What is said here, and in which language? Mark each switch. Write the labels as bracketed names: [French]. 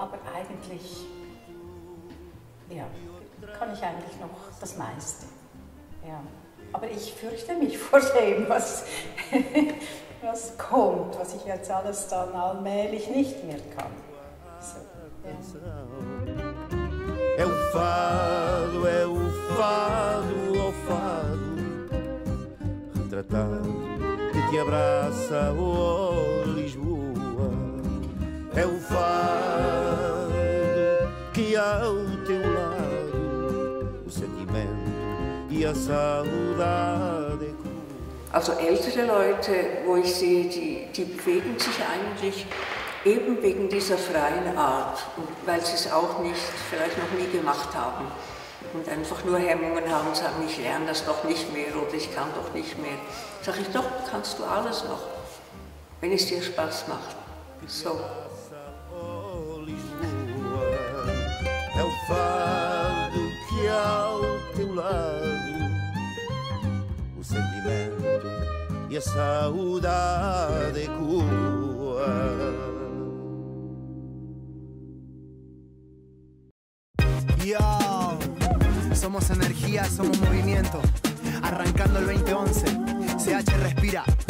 [German] Aber eigentlich, ja, kann ich eigentlich noch das meiste. Ja. Aber ich fürchte mich vor dem, was kommt, was ich jetzt alles dann allmählich nicht mehr kann. [Portuguese] É o fado, é o fado, o fado retratado que te abraça, oh Lisboa. É o fado que ao teu lado o sentimento e a saudade. [German] Also ältere Leute, wo ich sehe, die bewegen sich eigentlich eben wegen dieser freien Art und weil sie es auch nicht, vielleicht noch nie gemacht haben und einfach nur Hemmungen haben und sagen, ich lerne das doch nicht mehr oder ich kann doch nicht mehr. Sag ich, doch, kannst du alles noch. wenn es dir Spaß macht. So. [Portuguese] É o fado que ao teu lado o sentimento e a saudade cura. [Spanish] Yo, somos energía, somos movimiento. Arrancando el 2011, CH respira.